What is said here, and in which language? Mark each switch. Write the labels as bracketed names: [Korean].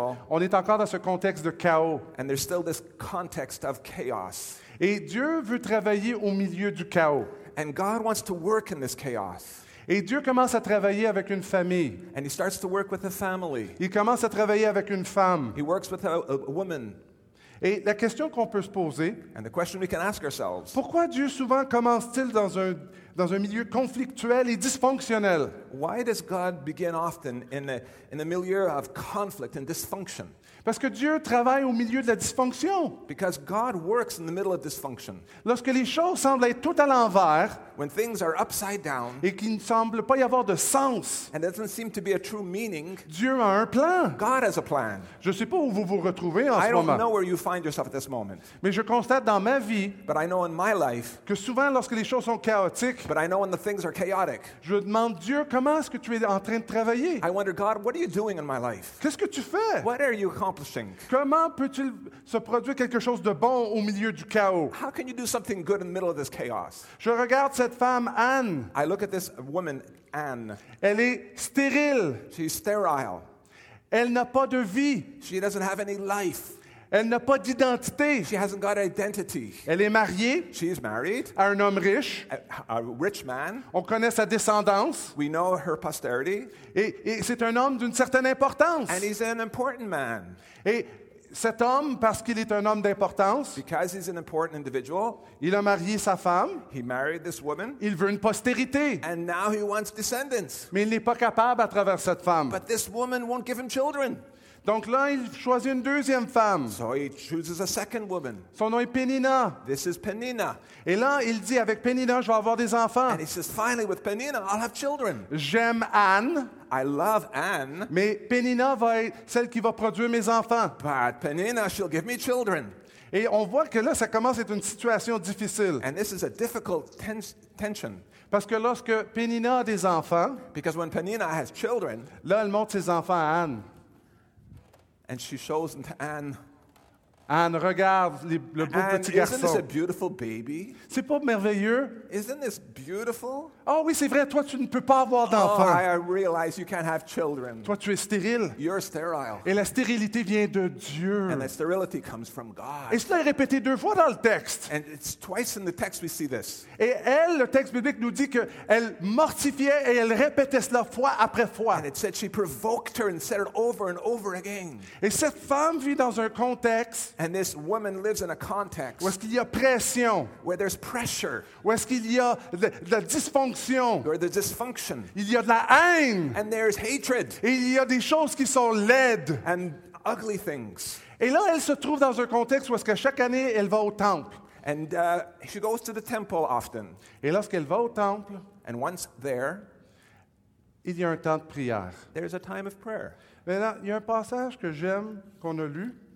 [French] on est encore dans ce contexte de chaos. [English] And there's still this context of chaos. [French] Et Dieu veut travailler au milieu du chaos. [English] And God wants to work in this chaos. [French] Et Dieu commence à travailler avec une famille. [English] And he starts to work with a family. [French] Il commence à travailler avec une femme. [English] He works with a woman. [French] Et la question qu'on peut se poser, [English] and the question we can ask ourselves, [French] pourquoi Dieu souvent commence-t-il dans un milieu conflictuel et dysfonctionnel? [English] Why does God begin often in a milieu of conflict and dysfunction? [French] Parce que Dieu travaille au milieu de la dysfonction. [English] Because God works in the middle of dysfunction. [French] Lorsque les choses semblent être toutes à l'envers, [English] when things are upside down, [French] et qu'il ne semble pas y avoir de sens, [English] and it doesn't seem to be a true meaning, [French] Dieu a un plan. [English] God has a plan. [French] Je ne sais pas où vous vous retrouvez en [English] I [French] ce [English] don't [French] moment. [English] Know where you find yourself at this moment. [French] Mais je constate dans ma vie, [English] but I know in my life, [French] que souvent lorsque les choses sont chaotiques, [English] but I know when the things are chaotic, [French] je demande Dieu comment est-ce que tu es en train de travailler. [English] I wonder, God, what are you doing in my life? [French] Qu'est-ce que tu fais? [English] What are you [French] comment peut-il se produire quelque chose de bon au milieu du chaos? [English] How can you do something good in the middle of this chaos? [French] Je regarde cette femme Anne. [English] I look at this woman Anne. [French] Elle est stérile. [English] She's sterile. [French] Elle n'a pas de vie. [English] She doesn't have any life. [French] Elle n'a pas d'identité. [English] She hasn't got identity. [French] Elle est mariée. [English] She's married. [French] À un homme riche. [English] A rich man. [French] On connaît sa descendance. [English] We know her posterity. [French] Et c'est un homme d'une certaine importance. [English] And he's an important man. [French] Et cet homme, parce qu'il est un homme d'importance, [English] because he's an important individual, [French] il a marié sa femme. [English] He married this woman. [French] Il veut une postérité. [English] And now he wants descendants. [French] Mais il n'est pas capable à travers cette femme. [English] But this woman won't give him children. [French] Donc là, il choisit une deuxième femme. [English] So he chooses a second woman. [French] Son nom est Pénina. [English] This is Pénina. [French] Et là, il dit, avec Pénina, je vais avoir des enfants. [English] And he says, finally, with Pénina, I'll have children. [French] J'aime Anne. [English] I love Anne. [French] Mais Pénina va être celle qui va produire mes enfants. [English] But Pénina, she'll give me children. [French] Et on voit que là, ça commence à être une situation difficile. [English] And this is a difficult tension. [French] Parce que lorsque Pénina a des enfants, [English] because when Pénina has children, [French] là, elle montre ses enfants à Anne. [English] And she shows them to Anne. [French] Anne, regarde le beau Anne, petit garçon. [English] Isn't this a beautiful baby? [French] C'est pas merveilleux? [English] Isn't this beautiful? [French] Oh oui, c'est vrai. Toi, tu ne peux pas avoir d'enfant. [English] Oh, I realize you can't have children. [French] Toi, tu es stérile. [English] You're sterile. [French] Et la stérilité vient de Dieu. [English] And the sterility comes from God. [French] Et cela est répété deux fois dans le texte. [English] And it's twice in the text we see this. [French] Et elle, le texte biblique nous dit que elle mortifiait et elle répétait cela fois après fois. [English] And it said she provoked her and said it over and over again. [French] Et cette femme vit dans un contexte. [English] And this woman lives in a context [French] où est-ce qu'il y a pression, [English] where there's pressure, [French] où est-ce qu'il y a de la dysfonction, [English] where there's dysfunction, [French] il y a de la haine, [English] and there's hatred, [French] et il y a des choses qui sont laides, [English] and ugly things. [French] Et là, elle se trouve dans un contexte où est-ce que chaque année, elle va au temple. [English] And she goes to the temple often. [French] Et lorsqu'elle va au temple, [English] and once there, [French] il y a un temps de prière. [English] There's a time of prayer. [French] Mais là, il y a un passage que j'aime qu'on a lu.